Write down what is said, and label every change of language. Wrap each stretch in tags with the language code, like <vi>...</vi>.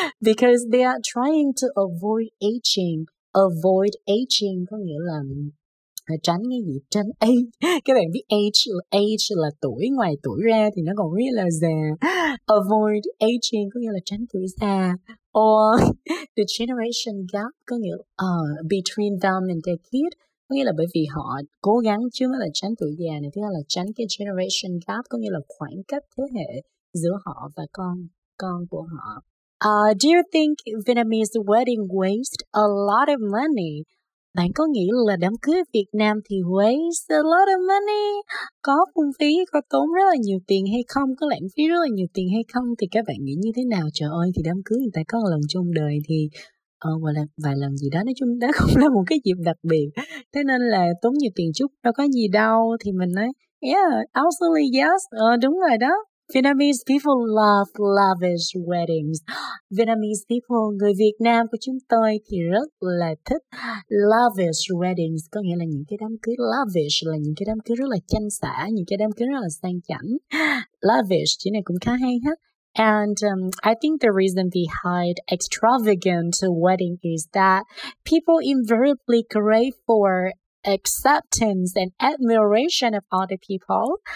<en>Because they are trying to avoid aging. Avoid aging</en> <vi>có nghĩa là tránh cái gì, tránh age. Các bạn biết age là tuổi, ngoài tuổi ra thì nó còn nghĩa là già. Avoid aging có nghĩa là tránh tuổi già.</vi> <en>Or the generation gap</en> <vi>có nghĩa là</vi> <en>between them and their kid.</en> <vi>Có nghĩa là bởi vì họ cố gắng chứ là tránh tuổi già này, thứ hai là tránh cái generation gap, có nghĩa là khoảng cách thế hệ giữa họ và con của họ.</vi> <en>Do you think Vietnamese wedding waste a lot of money?</en> <vi>Bạn có nghĩ là đám cưới Việt Nam thì</vi> <en>waste a lot of money,</en> <vi>có phung phí, có tốn rất là nhiều tiền hay không, có lãng phí rất là nhiều tiền hay không, thì các bạn nghĩ như thế nào? Trời ơi, thì đám cưới người ta có một lần trong đời thì vài lần gì đó, nói chung đó không là một cái dịp đặc biệt. Thế nên là tốn nhiều tiền chút đâu có gì đâu. Thì mình nói,</vi> <en>yeah, absolutely yes.</en> <vi>Đúng rồi đó.</vi> <en>Vietnamese people love lavish weddings. Vietnamese people,</en> <vi>người Việt Nam của chúng tôi thì rất là thích</vi> <en>lavish weddings.</en> <vi>Có nghĩa là những cái đám cưới lavish, là những cái đám cưới rất là chanh xả, những cái đám cưới rất là sang chảnh. Lavish, chữ này cũng khá hay ha.</vi> <en>And I think the reason behind extravagant wedding is that people invariably crave for acceptance and admiration of other people.</en>